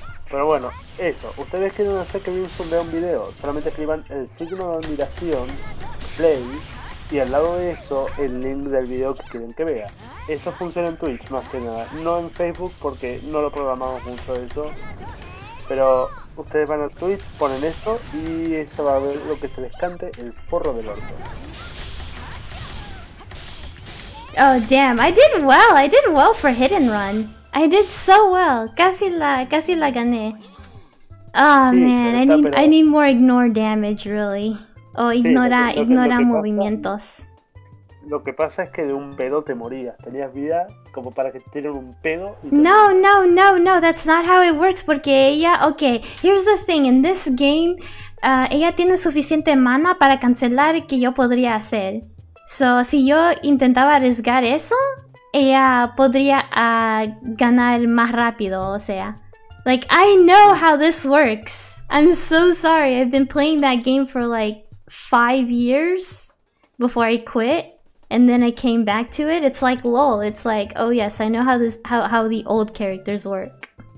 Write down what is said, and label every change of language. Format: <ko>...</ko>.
<es>Pero bueno, eso, ustedes quieren hacer que Vince vea un video, solamente escriban el signo de admiración, play, y al lado de esto, el link del video que quieren que vea. Eso funciona en Twitch más que nada, no en Facebook porque no lo programamos mucho de eso. Pero ustedes van a Twitch, ponen eso y eso va a ver lo que se les cante el forro del orto.</es> <en>Oh damn, I did well for hit and run. I did so well,</en> <es>casi la gané.</es> <en>Oh</en> <es>sí,</es> <en>man, I need more ignore damage really.</en> <es>Ignora movimientos. Lo que pasa es que de un pedo te morías. Tenías vida como para que te dieran un pedo.</es> <en>No, that's not how it works.</en> <es>Porque ella,</es> <en>okay, here's the thing. In this game,</en> <es>ella tiene suficiente mana para cancelar que yo podría hacer. So, si yo intentaba arriesgar eso, ella podría ganar más rápido. O sea,</es> <en>like, I know how this works. I'm so sorry. I've been playing that game for like 5 years before I quit. And then I came back to it. It's like LOL. It's like, oh yes, I know how this how the old characters work.</en>